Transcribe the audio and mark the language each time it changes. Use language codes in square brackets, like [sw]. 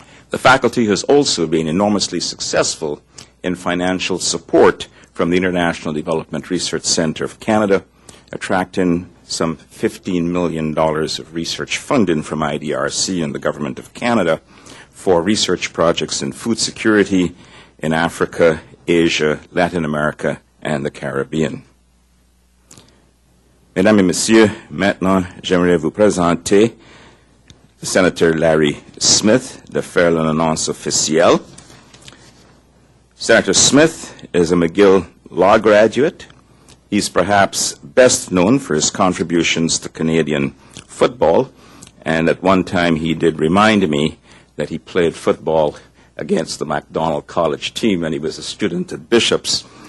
[en] The faculty has also been enormously successful in financial support from the International Development Research Center of Canada, attracting some $15 million of research funding from IDRC and the Government of Canada for research projects in food security in Africa, Asia, Latin America, and the Caribbean. [fr] Mesdames et Messieurs, maintenant, j'aimerais vous présenter le Sénateur Larry Smith de faire l'annonce officielle. [en] Senator Smith is a McGill law graduate. He's perhaps best known for his contributions to Canadian football, and at one time he did remind me that he played football against the McDonald College team when he was a student at Bishop's.